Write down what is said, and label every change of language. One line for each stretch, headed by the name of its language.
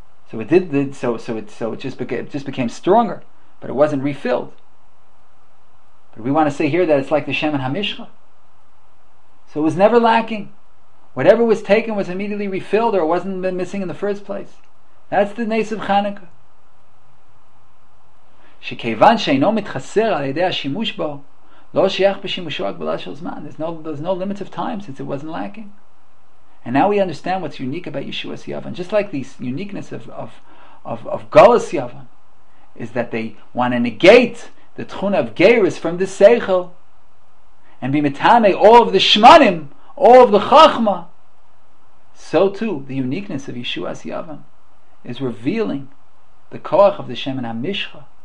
English: So it did. It just became stronger, but it wasn't refilled. But we want to say here that it's like the Shemen HaMishcha. So it was never lacking. Whatever was taken was immediately refilled, or it wasn't missing in the first place. That's the Nes of Chanukah.
Hebrew: שכיוון שאינו מתחסר על ידי השימוש בו, לא שייך בשימושו הגבלה של זמן.
English: There's no limits of time since it wasn't lacking. And now we understand what's unique about Yeshua's Yavan. Just like the uniqueness of Golas Yavan is that they want to negate the Tchuna of Geirus from the Seichel and be metame all of the Shmanim, all of the Chachma, so too the uniqueness of Yeshua's Yavan is revealing the Koach of the Shemen HaMishcha.